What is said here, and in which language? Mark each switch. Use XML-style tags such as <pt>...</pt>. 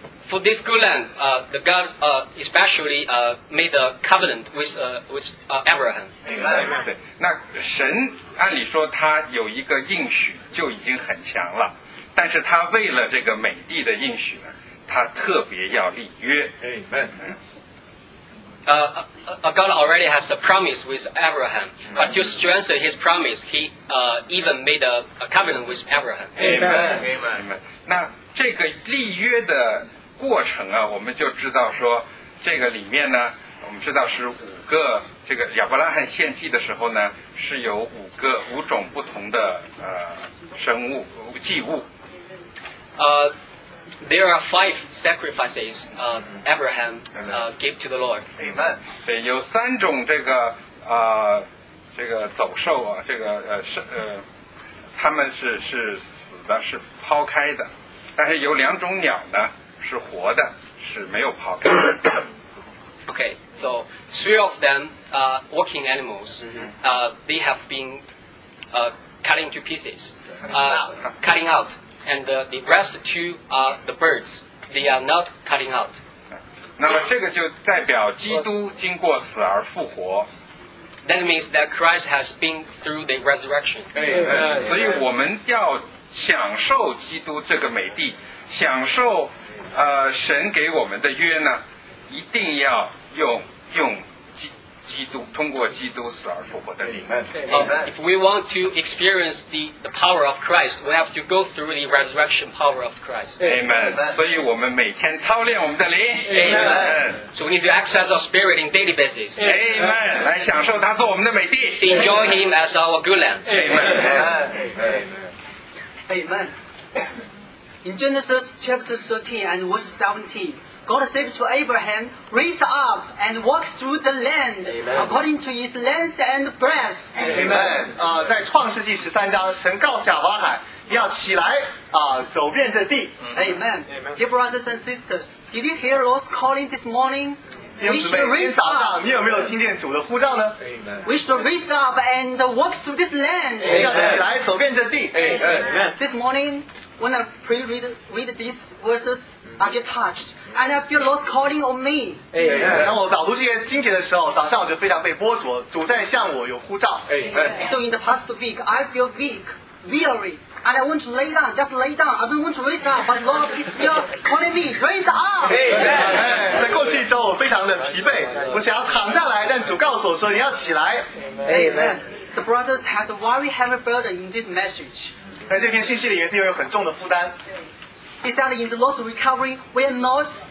<en>For this good land, the God especially made a covenant with Abraham.</en> <zh>那神按理说他有一个应许就已经很强了，但是他为了这个美地的应许呢，他特别要立约。</zh> <en>Amen. God already has a promise with Abraham, but to strengthen his promise, he even made a covenant with Abraham. Amen.</en> <zh>那这个立约的过程啊，我们就知道说，这个里面呢，我们知道是五个，这个亚伯拉罕献祭的时候呢，是有五种不同的生物祭物。</zh> <en>There are five sacrifices Abraham gave to the Lord. Amen.</en> <zh>对，有三种这个走兽啊，这个他们是死的，是抛开的。但是有两种鸟呢是活的，是没有抛开的。</zh> <en>Okay, so three of them are walking animals. They have been cutting to pieces, cutting out. And the rest two are the birds. They are not cutting out.</en> <zh>那么这个就代表基督经过死而复活。</zh> <en>That means that Christ has been through the resurrection.</en> <zh>所以我们要享受基督这个美地，享受神给我们的约呢，一定要用基督通过基督死而复活的灵。</zh> <en>If we want to experience the power of Christ, we have to go through the resurrection power of Christ. Amen.</en> <zh>所以我们每天操练我们的灵。</zh> <en>Amen. So we need to access our spirit in daily basis. Amen.</en> <zh>来享受他做我们的美地。</zh> <en>Enjoy him as our good land. Amen. Amen. In Genesis chapter 13 and verse 17. God says to Abraham, raise up and walk through the land according to its length and breadth. Amen.</en> <zh>在创世纪十三章，神告诉亚伯拉罕要起来走遍这地。</zh> <en>Amen. Dear brothers and sisters, did you hear Lord's calling this morning? We should raise up.</en> <zh>你有没有听见主的呼召呢？</zh> <en>We should raise up and walk through this land.</en> <zh>要起来走遍这地。</zh> <en>Amen. This morning, when I pre-read these verses, I get touched. And I feel Lord's calling on me. Amen.</en> <zh>当我导读这些经节的时候，早上我就非常被剥夺，主在向我有呼召。</zh> <en>Amen. So in the past week, I feel weak, weary, and I want to lay down, just lay down. I don't want to raise up, but Lord is still calling me, raise up. Amen.</en> <zh>在过去一周，我非常的疲惫，我想要躺下来，但主告诉我说你要起来。</zh> <en>Amen. The brothers had a very heavy burden in this message.</en> <zh>在这篇信息里面，弟兄有很重的负担。</zh> <en>He said, in the Lord's recovery, we are not</en>